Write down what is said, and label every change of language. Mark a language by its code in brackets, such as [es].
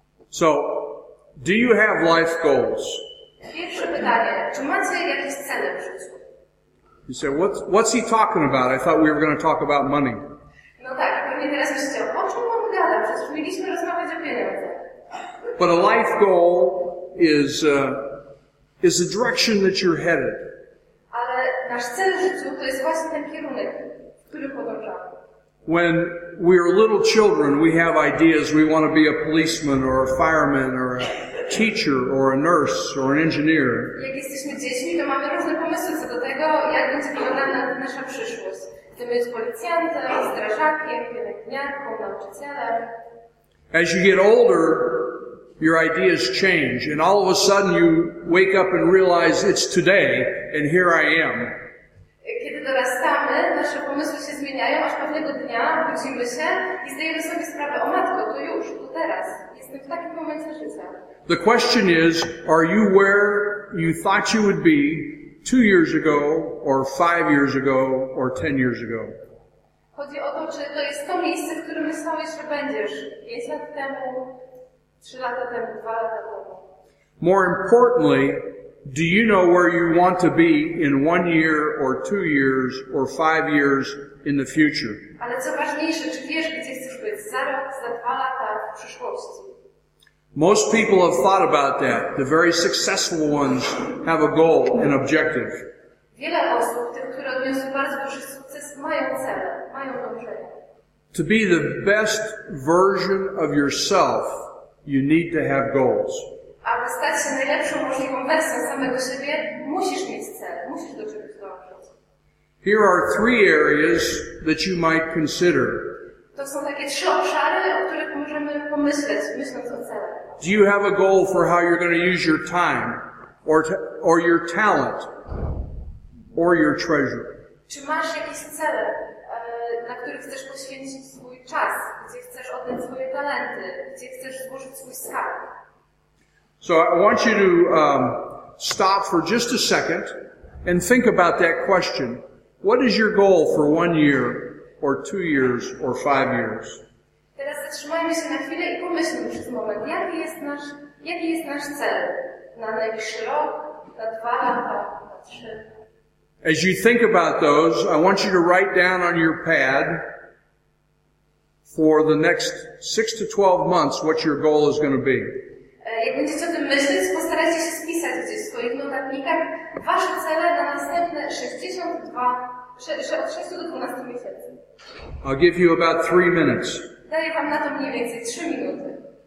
[en] So, do you have life goals? [pl] Pierwsze pytanie, czy macie jakieś cele w życiu? [en] You say, what's he talking about? I thought we were going to talk about money. [pl] No tak, pewnie teraz myślicie, o czym on gada? Przecież mieliśmy rozmawiać o pieniądze. [en] But a life goal is the direction that you're headed. [pl] Ale nasz cel w życiu to jest właśnie ten kierunek, w którym podążamy. [en] When we are little children, we have ideas. We want to be a policeman or a fireman or a teacher or a nurse or an engineer. [pl] Jak jesteśmy dziećmi, to mamy różne pomysły co do tego, jak będzie wyglądała nasza przyszłość. Chcemy być policjantem, strażakiem, pielęgniarką, nauczycielem. [en] As you get older, your ideas change, and all of a sudden you wake up and realize it's today, and here I am. [pl] Kiedy dorastamy, nasze pomysły się zmieniają, aż pewnego dnia budzimy się i zdajemy sobie sprawę, o matko, to już, to teraz. Jestem w takim momencie życia. [en] The question is, are you where you thought you would be 2 years ago, or 5 years ago, or 10 years ago? [pl] Chodzi o to, czy to jest to miejsce, w którym myślałeś, że będziesz 5 lat temu, 3 lata temu, 2 lata temu. [en] More importantly, do you know where you want to be in 1 year or 2 years or 5 years in the future? [pl] Ale co ważniejsze, czy wiesz, gdzie chcesz być za rok, za 2 lata w przyszłości? [en] Most people have thought about that. The very successful ones have a goal, an objective. [pl] Wiele osób, tych, które odniosły bardzo duży sukces, mają cel, mają dążenie. [en] To be the best version of yourself, you need to have goals. [pl] Aby stać się najlepszą możliwą wersją samego siebie, musisz mieć cel, musisz do czegoś dążyć. [en] Here are 3 areas that you might consider. [pl] To są takie 3 obszary, o których możemy pomyśleć, myśląc o celu. [en] Do you have a goal for how you're going to use your time, or your talent, or your treasure? [pl] Czy masz jakieś cele, na których chcesz poświęcić swój czas, gdzie chcesz oddać swoje talenty, gdzie chcesz złożyć swój skarb? [en] So I want you to stop for just a second and think about that question. What is your goal for 1 year or 2 years or 5 years? [pl] Teraz zatrzymajmy się na chwilę i pomyślmy przez moment, jaki jest nasz cel na najbliższy rok, na 2 lata, na 3. [en] As you think about those, I want you to write down on your pad for the next 6 to 12 months what your goal is going to be. [pl] Jak będziecie o tym myśleć, postarajcie się spisać gdzieś swoje swoich notatnikach wasze cele na następne 6 od 6 do 12 miesięcy. [en] I'll give you about 3 minutes. [pl] Daję wam na to mniej więcej 3 minuty.